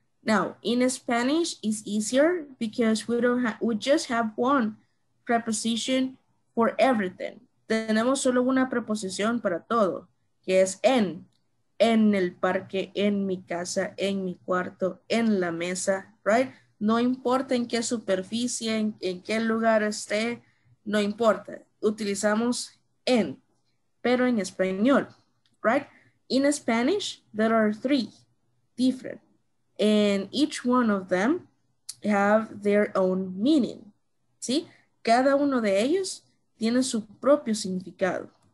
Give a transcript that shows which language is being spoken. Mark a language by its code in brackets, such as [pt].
[en] Now, in Spanish, it's easier because we just have one preposition for everything. [es] Tenemos solo una preposición para todo, que es en el parque, en mi casa, en mi cuarto, en la mesa, right? No importa en qué superficie, en qué lugar esté, no importa. Utilizamos en, pero en español, right? [en] In Spanish, there are three different, and each one of them have their own meaning, ¿sí? [es] Cada uno de ellos tiene su propio significado.